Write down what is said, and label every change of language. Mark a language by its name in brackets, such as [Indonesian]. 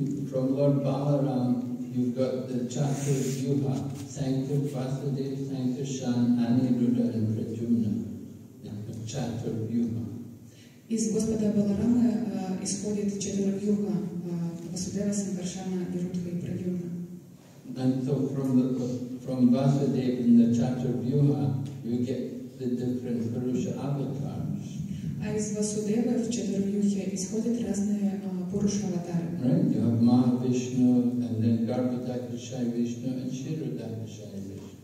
[English] From Lord Balaram, you've got the Chaturvyuha, Sankarvasudeva, Sankarshan, Aniruddha, and Prajumna. Chaturvyuha. [Russian] Из Господа Баларамы исходит Чатурвьюха, Васудева, Сангаршана, Нирудха и Прадьюна. [English] And so from Vasudeva in the Chaturvyuha you get the different Purusha avatars. [Russian] А из Васудева в Чатурвьюхе исходят разные Пуруша аватары. [English] Right, you have Mahavishnu, and then Garbhadakshaya Vishnu and Shirodakshaya Vishnu.